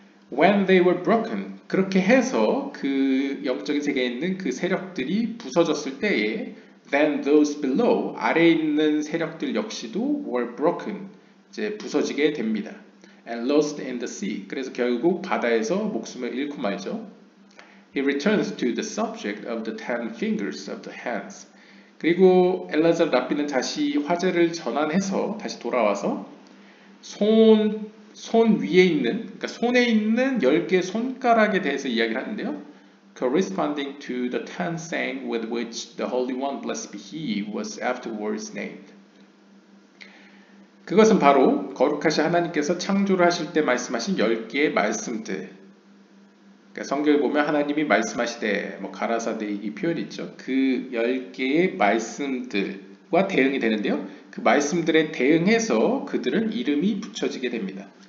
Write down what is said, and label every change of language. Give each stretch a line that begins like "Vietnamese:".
English: When they were broken,
Korean: 그렇게 해서 그 영적인 세계에 있는 그 세력들이 부서졌을 때에
English: then those below,
Korean: 아래에 있는 세력들 역시도
English: were broken,
Korean: 이제 부서지게 됩니다.
English: And lost in the sea.
Korean: 그래서 결국 바다에서 목숨을 잃고 말죠.
English: He returns to the subject of the ten fingers of the hands.
Korean: 그리고 엘라자르 랍비는 다시 화제를 전환해서 다시 돌아와서 손 위에 있는, 그러니까 손에 있는 열 개 손가락에 대해서 이야기를 하는데요.
English: Corresponding to the ten saying with which the Holy One, blessed be He, was afterwards named.
Korean: 그것은 바로 거룩하신 하나님께서 창조를 하실 때 말씀하신 열 개의 말씀들. 그러니까 성경을 보면 하나님이 말씀하시되, 뭐 가라사대 이 표현이 있죠. 그 열 개의 말씀들과 대응이 되는데요. 그 말씀들에 대응해서 그들은 이름이 붙여지게 됩니다.